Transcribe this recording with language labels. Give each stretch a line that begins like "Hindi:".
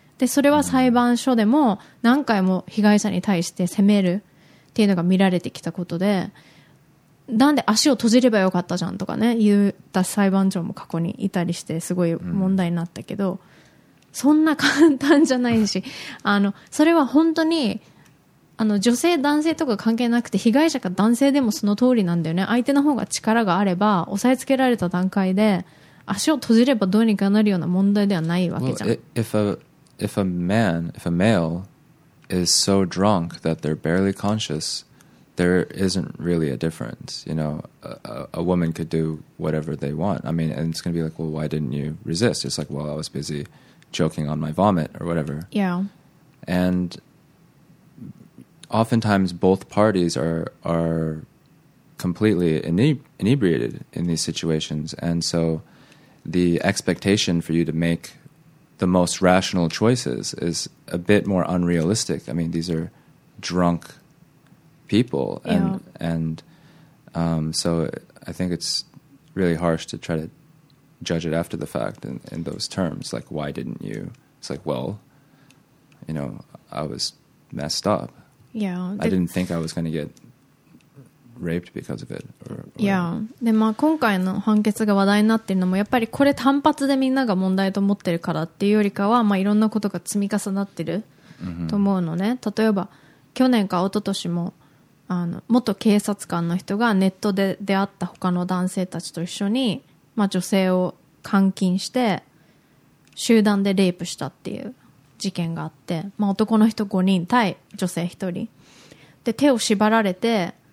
Japanese: でそれは裁判所でも何回も被害者に対して責めるっていうのが見られてきたことで、なんで足を閉じればよかったじゃんとかね言った裁判長も過去にいたりしてすごい問題になったけど、そんな簡単じゃないし、それは本当に女性男性とか関係なくて被害者か男性でもその通りなんだよね。相手の方が力があれば押さえつけられた段階で足を閉じればどうにかなるような問題ではないわけじゃん。
English: If a male is so drunk that they're barely conscious, there isn't really a difference. You know, a woman could do whatever they want. I mean, and it's going to be like, well, why didn't you resist? It's like, well, I was busy choking on my vomit or whatever. Yeah. And oftentimes both parties are completely inebriated in these situations. And so the expectation for you to make the most rational choices is a bit more unrealistic. I mean, these are drunk people. And, yeah. And so I think it's really harsh to try to judge it after the fact in those terms. Like, why didn't you? It's like, well, you know, I was messed up. Yeah. I didn't think I was going to get raped because of it. Or yeah.
Japanese: で、まあ、今回の判決が話題になってるのもやっぱりこれ単発でみんなが問題と思ってるからっていうよりかは、まあ、いろんなことが積み重なってると思うのね。例えば去年か一昨年も元警察官の人がネットで出会った他の男性たちと一緒にまあ、女性を監禁して集団でレイプしたっていう事件があって、まあ、男の人5人対女性1人で手を縛られて